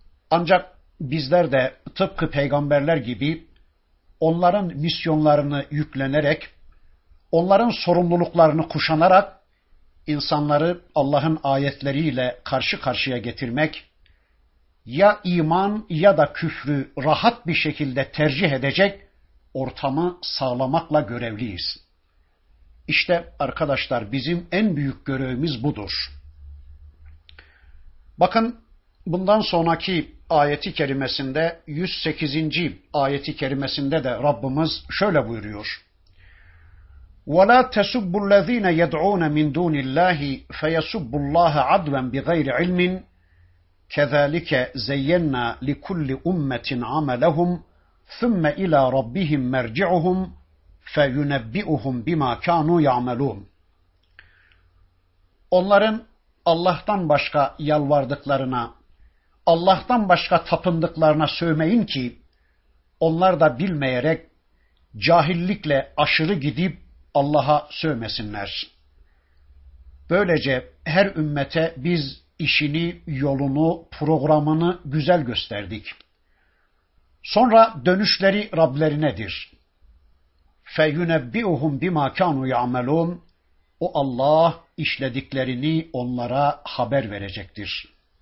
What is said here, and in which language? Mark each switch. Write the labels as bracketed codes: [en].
[tr] Ancak bizler de tıpkı peygamberler gibi onların misyonlarını yüklenerek, onların sorumluluklarını kuşanarak insanları Allah'ın ayetleriyle karşı karşıya getirmek, ya iman ya da küfrü rahat bir şekilde tercih edecek ortamı sağlamakla görevliyiz. İşte arkadaşlar bizim en büyük görevimiz budur. Bakın bundan sonraki ayeti kerimesinde 108. ayeti kerimesinde de Rabbimiz şöyle buyuruyor. [ar] وَلَا تَسُبُّ الَّذ۪ينَ يَدْعُونَ مِنْ دُونِ اللّٰهِ فَيَسُبُّ اللّٰهَ عَدْوًا بِغَيْرِ عِلْمٍ كَذَٰلِكَ زَيَّنَّا لِكُلِّ اُمَّةٍ عَمَلَهُمْ ثُمَّ اِلَى رَبِّهِمْ مَرْجِعُهُمْ فَيُنَبِّئُهُمْ بِمَا كَانُوا يَعْمَلُونَ [tr] Onların Allah'tan başka yalvardıklarına, Allah'tan başka tapındıklarına sövmeyin ki, onlar da bilmeyerek cahillikle aşırı gidip Allah'a sövmesinler. Böylece her ümmete biz işini, yolunu, programını güzel gösterdik. Sonra dönüşleri Rablerinedir. [ar] فَيُنَبِّئُهُمْ بِمَا كَانُوا يَعْمَلُونَ [tr] O Allah işlediklerini onlara haber verecektir.